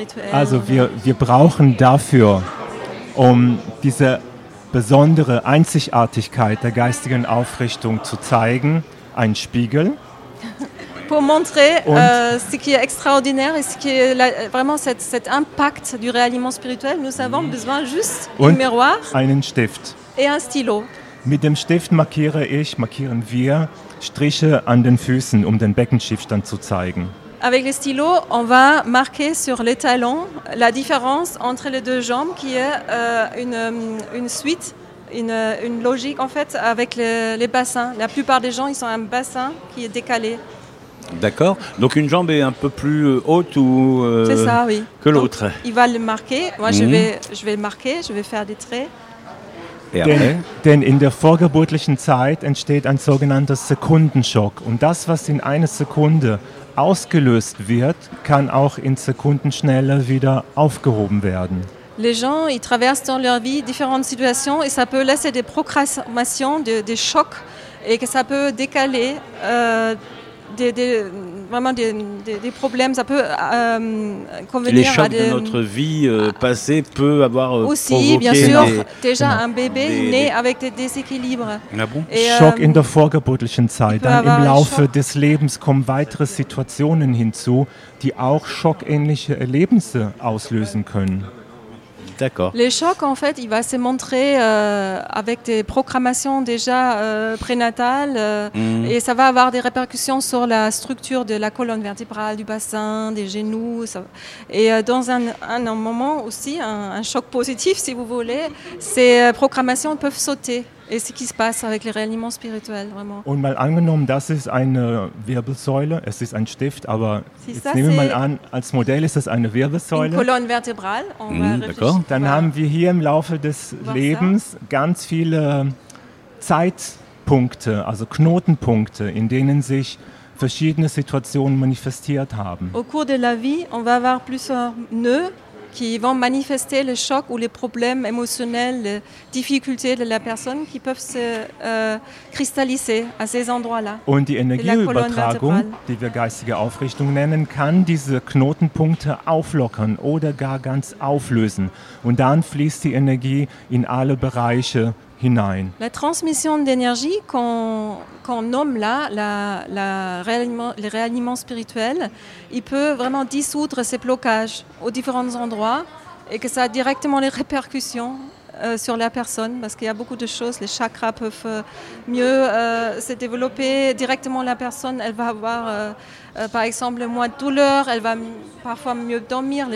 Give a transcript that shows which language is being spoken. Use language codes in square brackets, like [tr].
[de] Also, wir brauchen dafür, diese besondere Einzigartigkeit der geistigen Aufrichtung zu zeigen, ein Spiegel. [fr] Pour montrer ce qui est extraordinaire et ce qui est vraiment cet impact du réalignement spirituel, nous avons besoin juste d'un miroir, [de] einen Stift [fr] et un stylo. [de] Mit dem Stift markieren wir Striche an den Füßen, den Beckenschiefstand zu zeigen. [fr] Avec le stylo, on va marquer sur les talons la différence entre les deux jambes qui est une suite, une logique en fait avec les bassins. La plupart des gens, ils ont un bassin qui est décalé. D'accord. Donc une jambe est un peu plus haute ou c'est ça, oui. Que l'autre. Donc, il va le marquer. Moi, je vais marquer, je vais faire des traits. [de] Denn in der vorgeburtlichen Zeit entsteht ein sogenannter Sekundenschock. Und das, was in einer Sekunde ausgelöst wird, kann auch in Sekundenschnelle wieder aufgehoben werden. [fr] Les gens, ils traversent dans leur vie différentes situations et ça peut laisser des programmations, des chocs et que ça peut décaler des problèmes. Ça peut convenir. Les chocs de notre vie passée peut avoir aussi, provoqué. Bien sûr, déjà un bébé né avec des déséquilibres. Ah bon? [de] Choc in der vorgeburtlichen Zeit. Dann im Laufe des Lebens kommen weitere Situationen hinzu, die auch schockähnliche Erlebnisse auslösen können. [fr] D'accord. Les chocs, en fait, il va se montrer avec des programmations déjà prénatales et ça va avoir des répercussions sur la structure de la colonne vertébrale, du bassin, des genoux. Ça. Et dans un moment aussi, un choc positif, si vous voulez, ces programmations peuvent sauter. Et ce qui se passe avec les réalignements spirituels, vraiment. [de] Und mal angenommen, das ist eine Wirbelsäule, es ist ein Stift, aber jetzt nehmen wir mal an, als Modell ist das eine Wirbelsäule. [fr] Une colonne vertébrale. D'accord. [de] Dann haben wir hier im Laufe des Lebens ganz viele Zeitpunkte, also Knotenpunkte, in denen sich verschiedene Situationen manifestiert haben. [fr] Au cours de la vie, on va avoir plusieurs nœuds qui vont manifester le choc ou les problèmes émotionnels, les difficultés de la personne qui peuvent se cristalliser à ces endroits-là. [de] Und die Energieübertragung, die wir geistige Aufrichtung nennen, kann diese Knotenpunkte auflockern oder gar ganz auflösen. Und dann fließt die Energie in alle Bereiche hinein. [fr] La transmission d'énergie qu'on nomme là le réalignement spirituel, il peut vraiment dissoudre ces blocages aux différents endroits et que ça a directement les répercussions sur la personne parce qu'il y a beaucoup de choses, les chakras peuvent mieux se développer directement la personne, elle va avoir par exemple moins de douleur, elle va parfois mieux dormir.